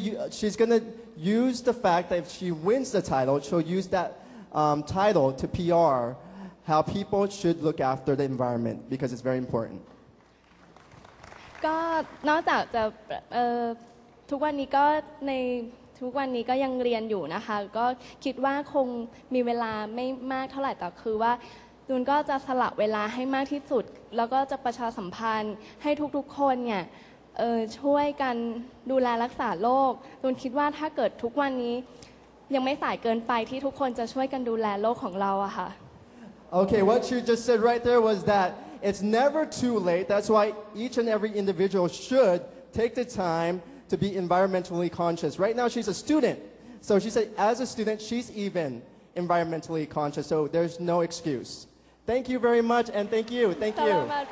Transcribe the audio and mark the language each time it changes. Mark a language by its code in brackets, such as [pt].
[en] She's gonna use the fact that if she wins the title, she'll use that title to PR how people should look after the environment because it's very important. [th] ก็นอกจากจะทุกวันนี้ก็ในทุกวันนี้ก็ยังเรียนอยู่นะคะก็คิดว่าคงมีเวลาไม่มากเท่าไหร่แต่คือว่าดูนก็จะสละเวลาให้มากที่สุดแล้วก็จะประชาสัมพันธ์ให้ทุกๆคนเนี่ยช่วยกันดูแลรักษาโลกตูนคิดว่าถ้าเกิดทุกวันนี้ยังไม่สายเกินไปที่ทุกคนจะช่วยกันดูแลโลกของเราอะค่ะ [en] Okay, what you just said right there was that it's never too late. That's why each and every individual should take the time to be environmentally conscious. Right now she's a student. So she said as a student, she's even environmentally conscious. So there's no excuse. Thank you very much and thank you. Thank you.